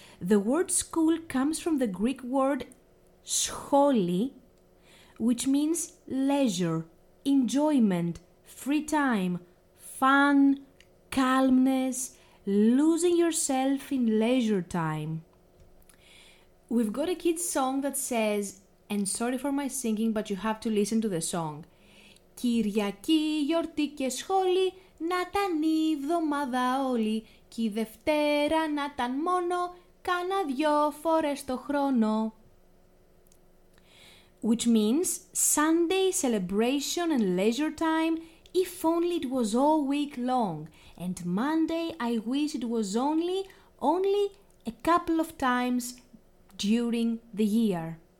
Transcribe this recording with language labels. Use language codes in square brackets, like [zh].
[en] The word school comes from the Greek word scholi, which means leisure, enjoyment, free time, fun, calmness, losing yourself in leisure time. We've got a kid's song that says, and sorry for my singing, but you have to listen to the song. [el] Κυριακή, γιορτή και σχόλη, να ήταν η εβδομάδα όλη, και η Δευτέρα να ήταν μόνο, κάνα δυο φορές το χρόνο. [en] Which means Sunday celebration and leisure time, if only it was all week long, and Monday I wish it was only a couple of times during the year.